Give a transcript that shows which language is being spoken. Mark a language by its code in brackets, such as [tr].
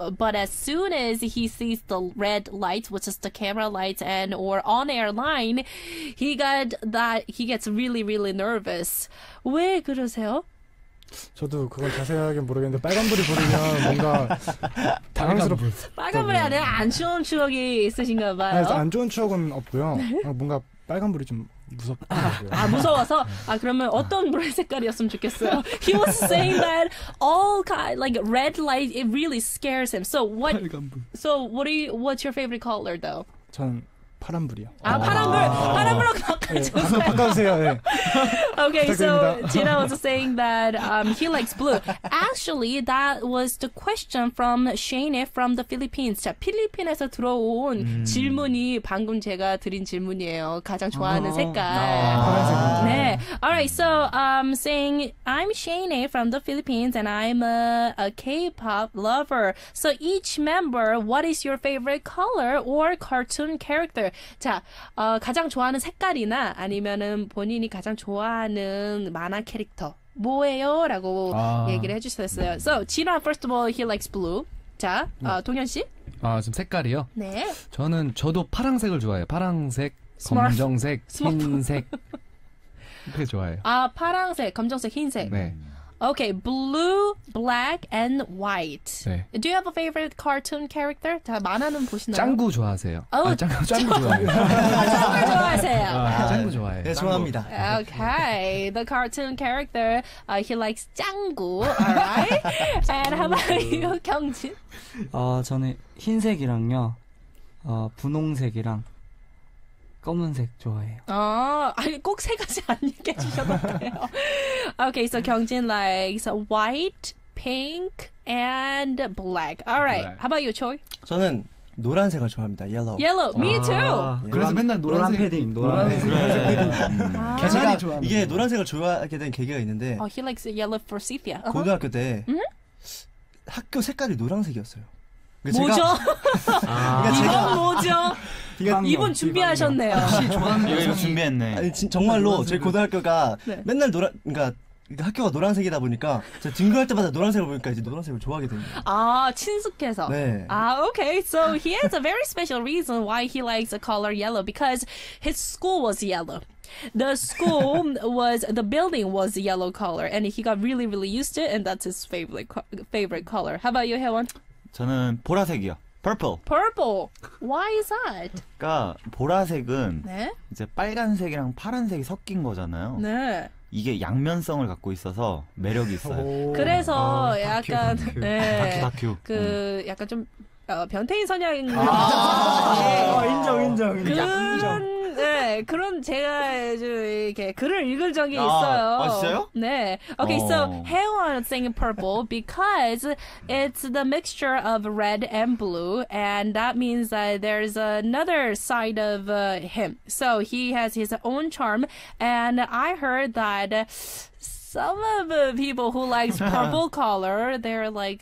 [en] But as soon as he sees the red light, which is the camera light, and or on air line, he gets really, really nervous. [ko] 왜 그러세요? 저도 그걸 자세하게 모르겠는데 빨간불이 보이면 뭔가 당황스럽고. 빨간불이 안에 안 좋은 추억이 있으신가 봐요. 안 좋은 추억은 없고요. 뭔가 빨간불이 좀 무섭더라고요. 아 무서워서. 아 그러면 어떤 불 색깔이었으면 좋겠어요. [en] He was saying that all kind like red light it really scares him. So what? [ko] 빨간불. [en] So what's your favorite color though? [ko] 전 파란불이요. 아 파란불. 파란불로 바꿔주세요. 네, 바꿔주세요. 네. [en] Okay, so Jinan was saying that he likes blue. Actually, that was the question from Shane from the Philippines. [ko] 자, 필리핀에서 들어온 질문이 방금 제가 드린 질문이에요. 가장 좋아하는 색깔. 네. [en] Alright, so saying I'm Shane from the Philippines and I'm a K-pop lover. So each member, what is your favorite color or cartoon character? [ko] 자, 어, 가장 좋아하는 색깔이나 아니면은 본인이 가장 좋아하는 만화 캐릭터 뭐예요? 라고 아. 얘기를 해주셨어요. [en] So, 진아, first of all, he likes blue. [ko] 자, 어, 동현 씨. 아, 지금 색깔이요? 네. 저는 저도 파랑색을 좋아해요. 파랑색, 검정색, 흰색. 그게 좋아해요. 아, 파랑색, 검정색, 흰색. 네. [en] Okay, blue, black, and white. [ko] 네. [en] Do you have a favorite cartoon character? [ko] 다 만화는 보시나요? 짱구 좋아하세요. Oh, 아, 짱구 좋아해요. 짱구 좋아하세요. 아, 짱구 좋아해요. 네, 좋아합니다. [en] Okay, the cartoon character, he likes 짱구. Alright. And how about you, 경진? [ko] 어, 저는 흰색이랑요, 어, 분홍색이랑. 검은색 좋아해요. 아, 아니 꼭 세 가지 안 얘기해 주셔도 돼요. [en] Okay, so 경진 likes white, pink, and black. Alright, how about you, Choi? [ko] 저는 노란색을 좋아합니다. [en] Yellow. Yellow, 아, me too. 예. [ko] 그래서 맨날 노란색 패딩. 노란색. 제가 아, 이게 노란색을 좋아하게 된 계기가 있는데. [en] Oh, he likes yellow for sepia. [ko] 고등학교 때 학교 색깔이 노란색이었어요. 뭐죠? 그러니까 이건 뭐죠? 이번 준비하셨네요. 혹시 좋아하는 거 이거 준비했네. 아니, 정말로 제 고등학교가 네. 맨날 노란, 그러니까 학교가 노란색이다 보니까 제가 등교할 때마다 노란색을 보니까 이제 노란색을 좋아하게 되네요. 아, 친숙해서. 네. 아, okay. [en] So he has a very special reason why he likes the color yellow because his school was yellow. The school was, the building was yellow color and he got really, really used to it and that's his favorite color. How about you, Hyewon? [ko] 저는 보라색이요. [en] Purple. Purple. Why is that? [ko] 그러니까 보라색은 네? 이제 빨간색이랑 파란색이 섞인 거잖아요. 네. 이게 양면성을 갖고 있어서 매력이 있어요. 그래서 아, 약간 다큐. 그 약간 좀 변태인 선양인 거 같아요. 인정. 그... 인정. 네, 그런 제가 이렇게 글을 읽을 적이 있어요. 아, 있어요? 네. [en] Okay, 오. so Hyewon is saying purple because it's the mixture of red and blue, and that means that there's another side of him. So he has his own charm, and I heard that some of the people who likes purple color, they're like